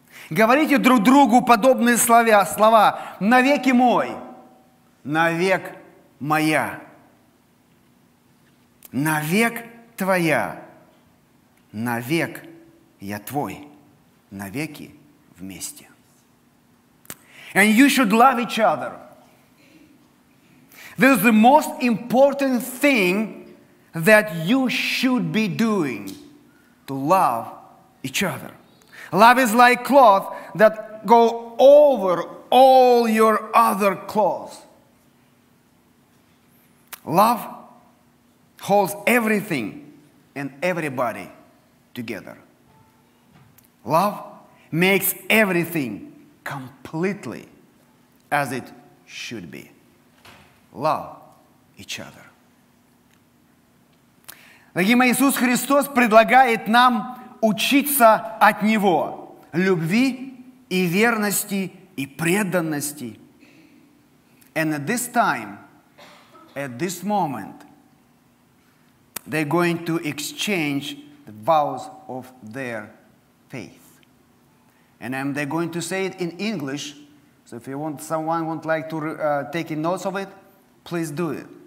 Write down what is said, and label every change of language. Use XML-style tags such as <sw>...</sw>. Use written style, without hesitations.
<ru>Говорите друг другу подобные слова «навеки мой», «навек моя», «навек твоя», «навек я твой», «навеки вместе».</ru> <en>And you should love each other. This is the most important thing that you should be doing, to love each other. Love is like cloth that go over all your other clothes. Love holds everything and everybody together. Love makes everything completely as it should be. Love each other.</en> <ru>Дорогие мои, Иисус Христос предлагает нам учиться от Него любви и верности и преданности.</ru> <en>And at this time, at this moment, they're going to exchange the vows of their faith. And they're going to say it in English. So if you want, someone would like to take notes of it, please do it.</en>